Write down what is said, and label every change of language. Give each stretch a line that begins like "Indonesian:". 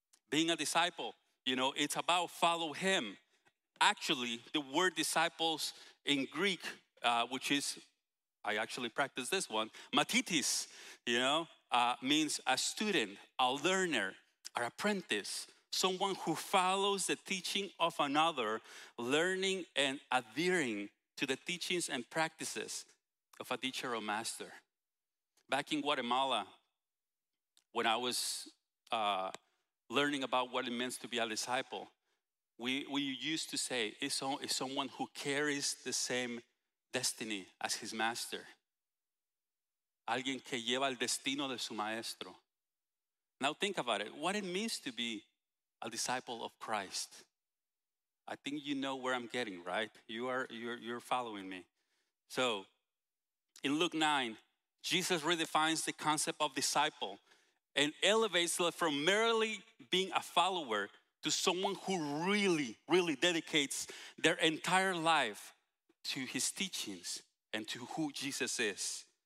English: Being a disciple, you know, it's about follow him. Actually, the word disciples in Greek, which is, I actually practiced this one, mathetes, you know, means a student, a learner, an apprentice, someone who follows the teaching of another, learning and adhering to the teachings and practices of a teacher or master. Back in Guatemala, when I was learning about what it means to be a disciple, we used to say, it's someone who carries the same destiny as his master.
Spanish: Alguien que lleva el destino de su maestro.
English: Now think about it, what it means to be a disciple of Christ. I think you know where I'm getting, right? You're following me. So in Luke 9, Jesus redefines the concept of disciple and elevates us from merely being a follower to someone who really, really dedicates their entire life to his teachings and to who Jesus is.